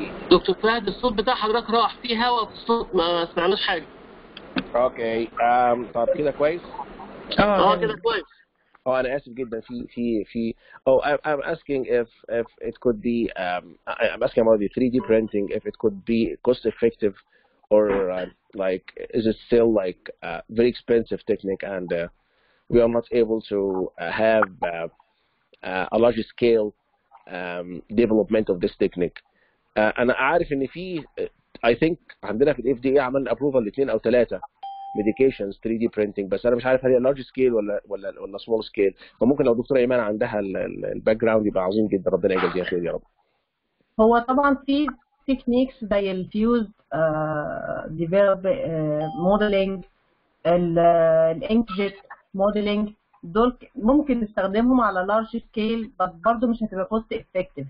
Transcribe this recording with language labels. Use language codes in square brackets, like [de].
[ar] دكتور فهد الصوت بتاع حضرتك راح في هواء في الصوت ما سمعناش حاجة. اوكي طب كده كويس. كده كويس. انا اسف جدا في [en] I'm asking if it could be I'm asking about the 3D printing if it could be cost effective or like is it still like a very expensive technique and we are not able to have a large scale development of this technique. [ar] انا عارف ان في [en] I think [ar] عندنا في الاف دي اي عملنا ابروفال لاثنين او ثلاثه medications 3D printing بس انا مش عارف هل هي large scale ولا small scale. فممكن لو دكتوره ايمان عندها الباك جراوند يبقى عظيم جدا. ربنا يجزيها خير يا رب. هو طبعا في تكنيكس زي الفيوز ديفلوب موديلنج الانكجت موديلنج دول ممكن نستخدمهم على large scale بس برضه مش هتبقى [en] cost effective.